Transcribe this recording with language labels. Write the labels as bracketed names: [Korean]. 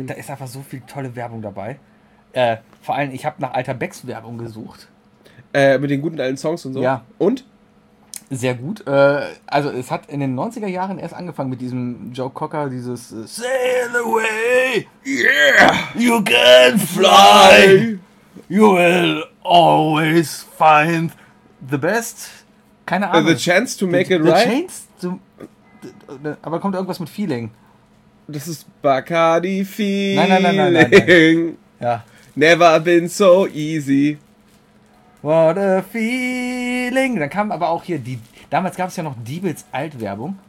[German] Und da ist einfach so viel tolle Werbung dabei. Vor allem, ich habe nach alter Becks-Werbung gesucht. Mit den guten alten Songs und so? Ja. Und? Sehr gut. Also es hat in den 90er Jahren erst angefangen mit diesem Joe Cocker, dieses [English] Sail away, yeah, you can fly, you will always find the best, [German] keine Ahnung. [English] The chance to make it the right? The chance to... [German] Aber kommt irgendwas mit Feeling. Das ist Bacardi Feeling. Nein. Ja. [English] Never been so easy. What a feeling. [German] Dann kam aber auch hier die... Damals gab es ja noch Diebels Altwerbung.